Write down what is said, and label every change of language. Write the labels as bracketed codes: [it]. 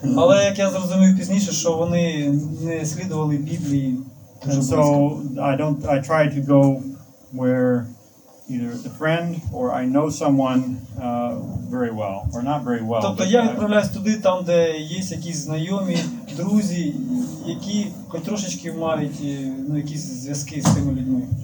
[uk] Але як я зрозумів пізніше, що вони не слідували Біблії. [en] So I try to go where either a friend or I know someone very well or not very well. [uk] Тобто я відправляюсь туди, там де є якісь знайомі, друзі, які хоч трошечки мають, ну, якісь зв'язки з тими людьми.